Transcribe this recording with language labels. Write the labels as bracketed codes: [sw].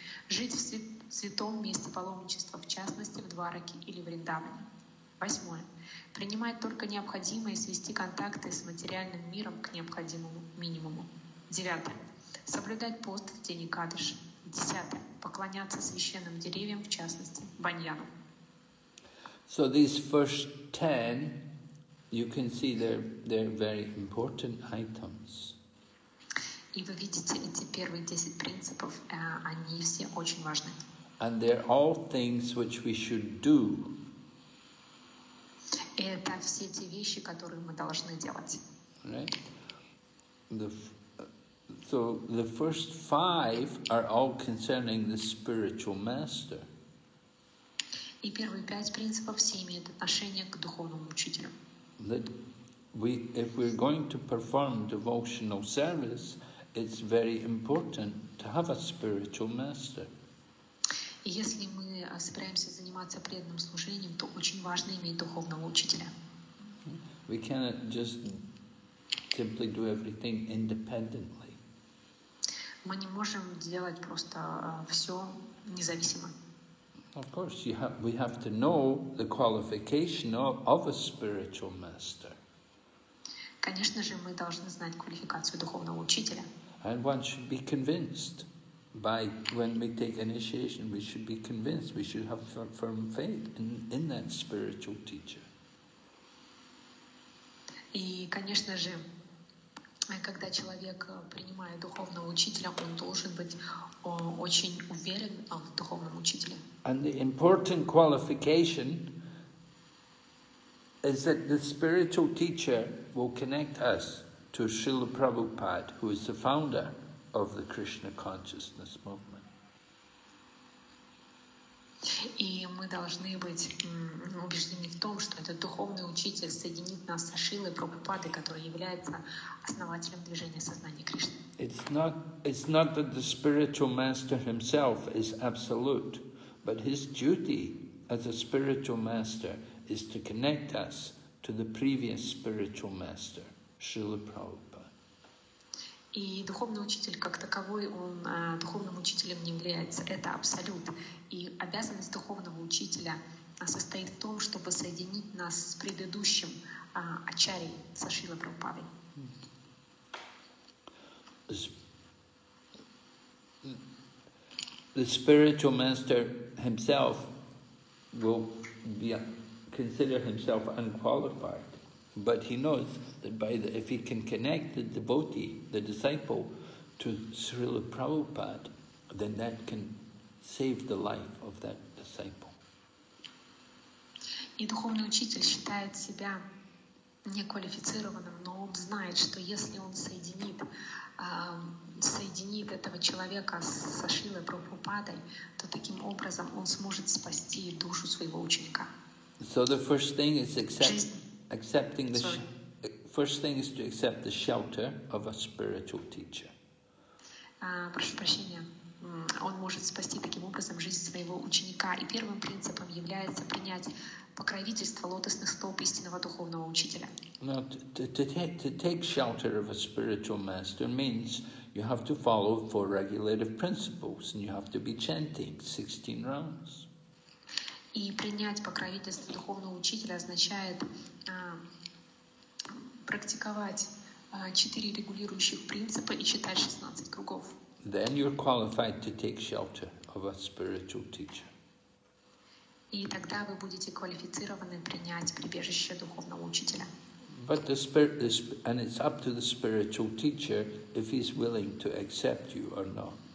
[ru] Жить в святом месте паломничества, в частности, в Двараке или в Риндаване. Восьмое. Принимать только необходимое и свести контакты с материальным миром к необходимому минимуму. Девятое. Соблюдать пост в день Экадыши. Десятое. Поклоняться священным деревьям, в частности, баньяну. [en] So these first 10, you can see they're very important items. [ru] И вы видите, эти первые 10 принципов, они все очень важны. [en] And they're all things which we should do. [ru] Это все те вещи, которые мы должны делать. [en] Right? So the first 5 are all concerning the spiritual master. [ru] И первые 5 принципов все имеют отношение к духовному учителю. [en] That we, if we're going to perform devotional service, it's very important to have a spiritual master. [ru] Если мы собираемся заниматься преданным служением, то очень важно иметь духовного учителя. [en] We cannot just simply do everything independently. [ru] Мы не можем делать просто все независимо. [en] Of course, we have to know the qualification of a spiritual master. [ru] Конечно же, мы должны знать квалификацию духовного учителя. [en] And one should be convinced by when we take initiation. We should be convinced. We should have firm faith in that spiritual teacher. [ru] И конечно же, когда человек принимает духовного учителя, он должен быть очень уверен в духовном учителе. [en] And the important qualification is that the spiritual teacher will connect us to Srila Prabhupada, who is the founder of the Krishna consciousness movement. [ru] И мы должны быть убеждены в том, что этот духовный учитель соединит нас со Шрилой Прабхупадой, который является основателем движения сознания Кришны. [en] It's not that the spiritual master himself is absolute. But his duty as a spiritual master is to connect us to the previous spiritual master, Srila Prabhupada. [ru] И духовный учитель как таковой, он духовным учителем не является, это абсолют. И обязанность духовного учителя состоит в том, чтобы соединить нас с предыдущим ачарьей, со Шрилой Прабхупадой. [en] The spiritual master himself will consider himself unqualified, but he knows that if he can connect the devotee, the disciple, to Srila Prabhupada, then that can save the life of that disciple. [ru] И духовный учитель считает себя неквалифицированным, но он знает, что если он соединит этого человека со Шрилой Прабхупадой, то таким образом он сможет спасти душу своего ученика. [en] So the first thing is to accept the shelter of a spiritual teacher. [ru] Прошу прощения. Он может спасти таким образом жизнь своего ученика. И первым принципом является принять покровительство лотосных стоп истинного духовного учителя. [en] Now, to take shelter of a spiritual master means you have to follow 4 regulative principles and you have to be chanting 16 rounds. [ru] И принять покровительство духовного учителя означает практиковать 4 регулирующих принципа и читать 16 кругов. [en] Then you're qualified to take shelter of a spiritual teacher. [ru] И тогда вы будете квалифицированы принять прибежище духовного учителя. [en] But the spirit is, and it's up to the spiritual teacher if he's willing to accept you or not.